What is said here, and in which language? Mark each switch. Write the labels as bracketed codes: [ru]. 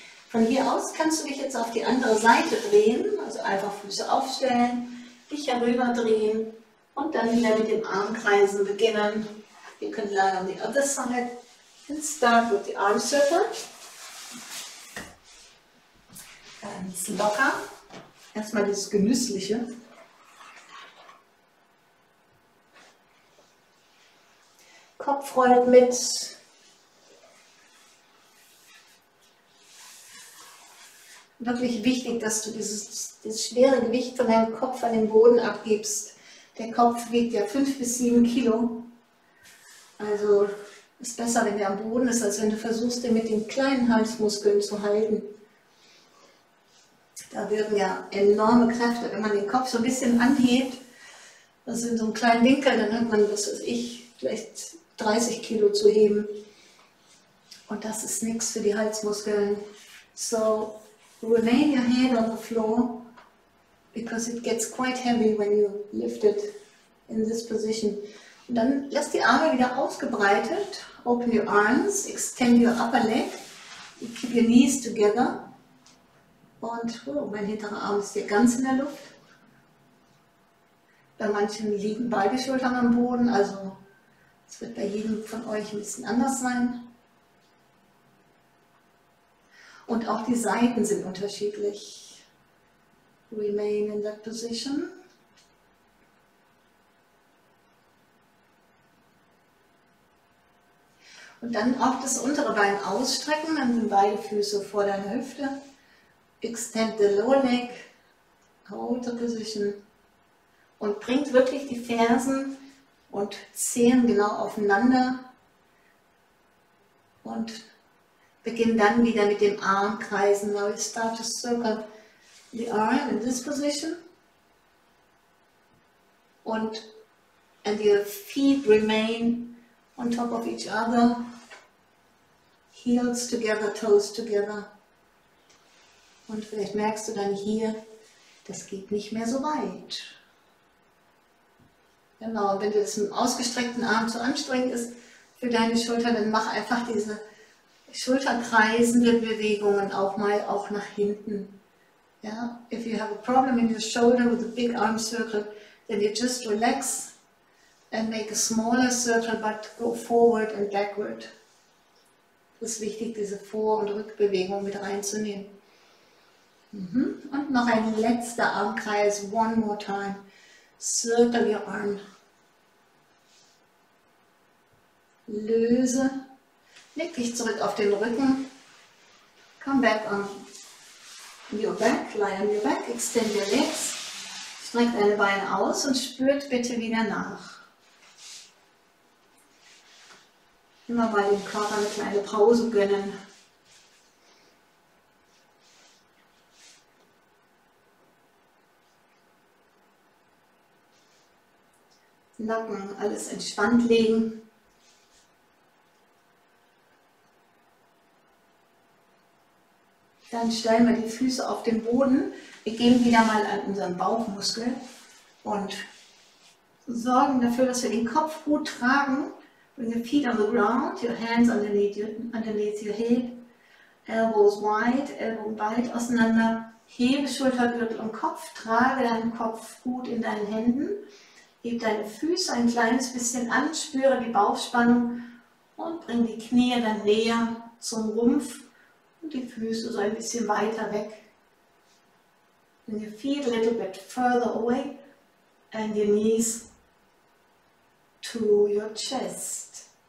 [de] Von hier aus kannst du dich jetzt auf die andere Seite drehen, also einfach Füße aufstellen, dich herüber drehen und dann wieder mit dem Armkreisen beginnen. [en] You can lie on the other side and start with the arm circle. [de] Ganz locker. Erstmal das Genüssliche. Kopf rollt mit. Wirklich wichtig, dass du dieses schwere Gewicht von deinem Kopf an den Boden abgibst. Der Kopf wiegt ja 5 bis 7 Kilo. Also ist besser, wenn der am Boden ist, als wenn du versuchst, den mit den kleinen Halsmuskeln zu halten. Da wirken ja enorme Kräfte, wenn man den Kopf so ein bisschen anhebt, also in so einem kleinen Winkel, dann hat man, was weiß ich, vielleicht 30 Kilo zu heben. Und das ist nichts für die Halsmuskeln. [en] So, remain your head on the floor, because it gets quite heavy when you lift it in this position. [de] Und dann lass die Arme wieder ausgebreitet. [en] Open your arms, extend your upper leg, you keep your knees together. [de] Und oh, mein hinterer Arm ist hier ganz in der Luft. Bei manchen liegen beide Schultern am Boden, also es wird bei jedem von euch ein bisschen anders sein. Und auch die Seiten sind unterschiedlich. [en] Remain in that position. [de] Und dann auch das untere Bein ausstrecken, dann sind beide Füße vor deiner Hüfte. [en] Extend the lower leg, outer position. [de] Und bringt wirklich die Fersen und Zehen genau aufeinander. Und beginn dann wieder mit dem Armkreisen. [en] Now you start to circle the arm in this position. And your feet remain on top of each other. Heels together, toes together. [de] Und vielleicht merkst du dann hier, das geht nicht mehr so weit. Genau, wenn du jetzt mit dem ausgestreckten Arm zu anstrengend ist für deine Schulter, dann mach einfach diese schulterkreisenden Bewegungen auch mal auch nach hinten. Ja? [en] If you have a problem in your shoulder with a big arm circle, then you just relax and make a smaller circle, but go forward and backward. [de] Es ist wichtig, diese Vor- und Rückbewegung mit reinzunehmen. Und noch ein letzter Armkreis, [en] one more time. Circle your arm. [de] Löse. Leg dich zurück auf den Rücken. [en] Come back on your back, lie on your back, extend your legs. [de] Streckt deine Beine aus und spürt bitte wieder nach. Immer mal dem Körper eine kleine Pause gönnen. Nacken, alles entspannt legen. Dann stellen wir die Füße auf den Boden. Wir gehen wieder mal an unseren Bauchmuskel und sorgen dafür, dass wir den Kopf gut tragen. [en] Bring your feet on the ground, your hands underneath your hip, elbows wide, elbow [de] weit auseinander. Hebe Schultergürtel und Kopf, trage deinen Kopf gut in deinen Händen. Heb deine Füße ein kleines bisschen an, spüre die Bauchspannung und bring die Knie dann näher zum Rumpf und die Füße so ein bisschen weiter weg. [en] Bring your feet a little bit further away and your knees to your chest.